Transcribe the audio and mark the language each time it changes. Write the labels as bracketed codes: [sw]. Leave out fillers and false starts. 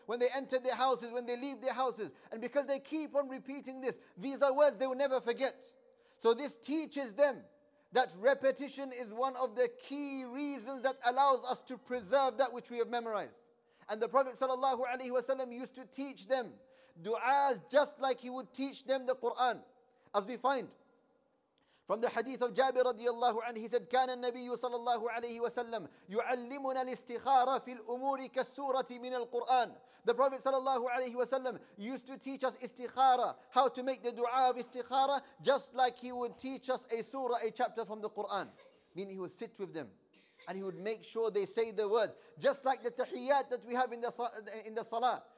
[en] When they enter their houses, when they leave their houses. And because they keep on repeating this, these are words they will never forget. So this teaches them that repetition is one of the key reasons that allows us to preserve that which we have memorized. And the Prophet sallallahu alaihi wasallam used to teach them du'as just like he would teach them the Quran. [ar] As we find, from the hadith of Jabir radiyallahu anhu, he said, كان النبي صلى الله عليه وسلم يعلمنا الاستخارة في الأمور كالسورة من القرآن. [en] The Prophet sallallahu alaihi wasallam used to teach us istikhara, how to make the dua of istikhara, just like he would teach us a surah, a chapter from the Quran. Meaning he would sit with them And he would make sure they say the words. Just like the tahiyyat that we have in the salah.